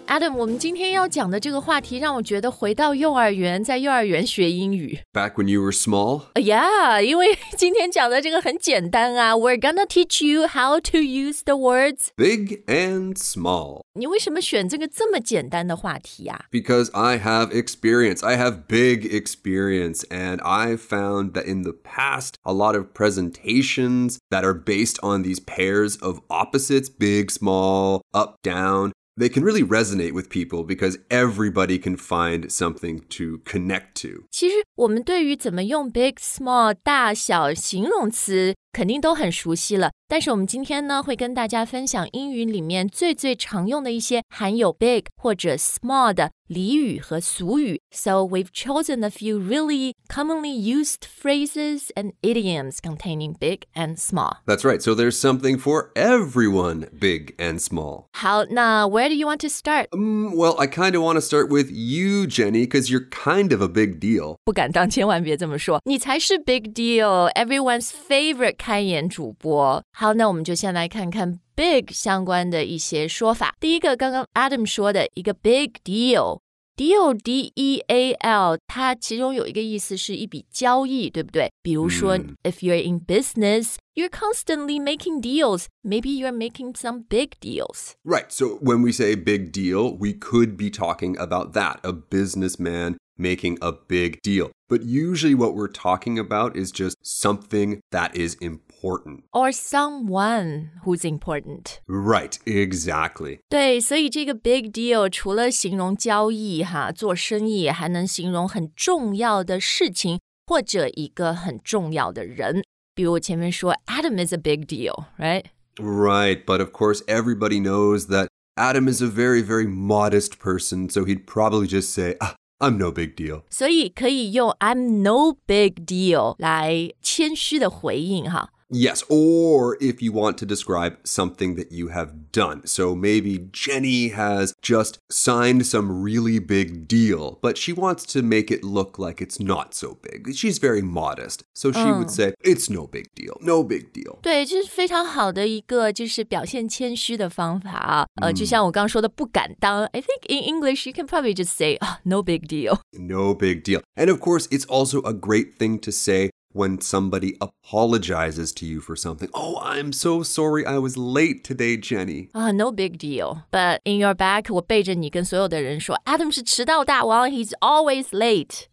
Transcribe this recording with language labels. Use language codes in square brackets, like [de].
[zh] Adam, 我们今天要讲的这个话题让我觉得回到幼儿园，在幼儿园学英语。 [en] Back when you were small? [zh] Yeah, 因为今天讲的这个很简单啊。 [en] We're gonna teach you how to use the words big and small. [zh] 你为什么选这个这么简单的话题啊？ [en] Because I have experience. I have big experience. And I found that in the past, a lot of presentations that are based on these pairs of opposites, big, small,up, down, they can really resonate with people because everybody can find something to connect to. [zh] 其实我们对于怎么用 big, small, 大小形容词肯定都很熟悉了。但是我们今天呢会跟大家分享英语里面最最常用的一些含有 big 或者 small 的俚语和俗语。 [en] So we've chosen a few really commonly used phrases and idioms containing big and small. That's right. So there's something for everyone, big and small. [zh] 好，那 [en] where do you want to start? Well, I kind of want to start with you, Jenny, because you're kind of a big deal. 不敢当，千万别这么说。你才是 big deal, everyone's favorite 开言主播。 [zh] 好，那我们就先来看看 big 相关的一些说法。第一个，刚刚 Adam 说的一个 big deal， deal D-E-A-L， 它其中有一个意思是一笔交易，对不对？比如说、 [en] if you're in business, you're constantly making deals. Maybe you're making some big deals. Right, so when we say big deal, we could be talking about that, a businessman making a big deal. But usually what we're talking about is just something that is important. Or someone who's important. Right, exactly. [zh] 对，所以这个 big deal 除了形容交易哈，做生意，还能形容很重要的事情，或者一个很重要的人。比如我前面说 [en] Adam is a big deal, right? Right, but of course everybody knows that Adam is a very, very modest person, so he'd probably just say, I'm no big deal. [zh] 所以可以用 [en] I'm no big deal [zh] 来谦虚的回应哈。 [en] Yes, or if you want to describe something that you have done. So maybe Jenny has just signed some really big deal, but she wants to make it look like it's not so big. She's very modest. So she would say, it's no big deal, no big deal. [zh] 对，这是非常好的一个就是表现谦虚的方法。就像我刚刚说的不敢当。 [en] I think in English, you can probably just say, no big deal. No big deal. And of course, it's also a great thing to say,when somebody apologizes to you for something. Oh, I'm so sorry I was late today, Jenny. No big deal. But in your back, [zh] 我背着你跟所有的人说 Adam 是迟到大王 [en] He's always late.